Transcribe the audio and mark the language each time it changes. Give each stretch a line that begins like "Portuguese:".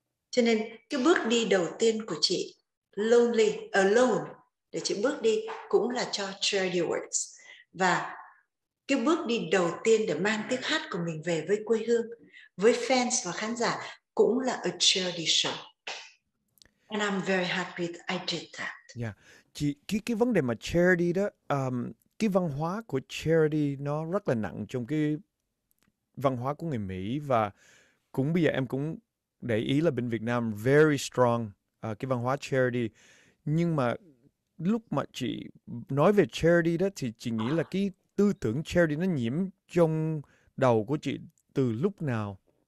Vietnamese: Cho nên cái bước đi đầu tiên của chị
English: lonely alone
Vietnamese: để chị bước đi cũng là cho
English: charity works.
Vietnamese: Và cái bước đi đầu tiên để mang tiếng hát của mình về với quê hương, với fans và khán giả cũng là
English: a charity show. And I'm very happy that I did that.
Vietnamese: Chị, cái vấn đề mà charity đó, cái văn hóa của charity nó rất là nặng trong cái văn hóa của người Mỹ, và cũng bây giờ em cũng để ý là bên Việt Nam
English: very strong
Vietnamese: cái văn hóa charity. Nhưng mà lúc mà chị nói về charity đó thì chị nghĩ là cái tư tưởng charity nó nhiễm trong đầu của chị từ lúc nào?